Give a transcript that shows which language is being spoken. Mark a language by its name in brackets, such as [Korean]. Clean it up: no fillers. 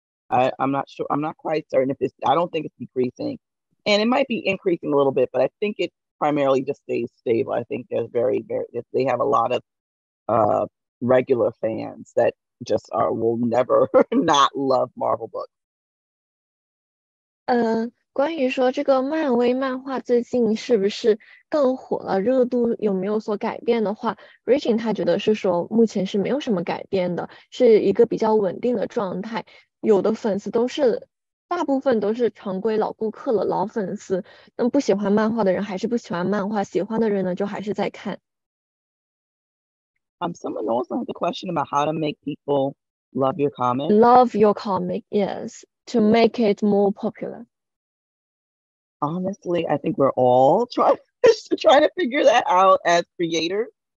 [English] I'm not quite certain if it's, I don't think it's decreasing. And it might be increasing a little bit, but I think it primarily just stays stable. I think there's very, very, if they have a lot of regular fans that just will never not love Marvel books. [Chinese] 关于说这个漫威漫画最近是不是更火了，热度有没有所改变的话， Regine 他觉得是说目前是没有什么改变的，是一个比较稳定的状态。有的粉丝都是大部分都是常规老顾客了，老粉丝，那不喜欢漫画的人还是不喜欢漫画，喜欢的人呢就还是在看。 [English] Someone also has a question about how to make people love your comic. Love your comic, yes, to make it more popular. Honestly, I think we're all trying to figure that out as creators.